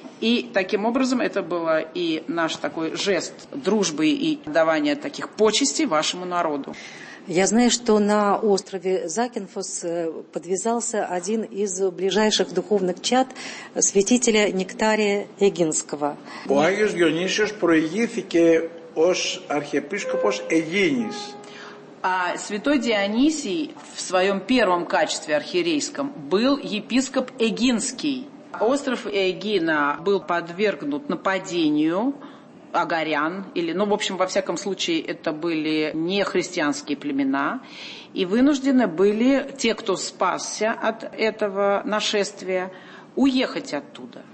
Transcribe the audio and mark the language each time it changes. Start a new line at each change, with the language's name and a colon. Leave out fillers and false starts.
Russian: И таким образом это был и наш такой жест дружбы и давания таких почестей вашему народу. Я знаю, что на острове Закинфос подвязался один из ближайших духовных чад святителя Нектария Эгинского.
Greek: Ο Άγιος Διονύσιος προηγήθηκε ως αρχιεπίσκοπος Αιγίνης.
Russian: А святой Дионисий в своем первом качестве архиерейском был епископ Эгинский. Остров Эгина был подвергнут нападению агарян, или, ну, в общем, во всяком случае, это были не христианские племена, и вынуждены были те, кто спасся от этого нашествия, уехать оттуда.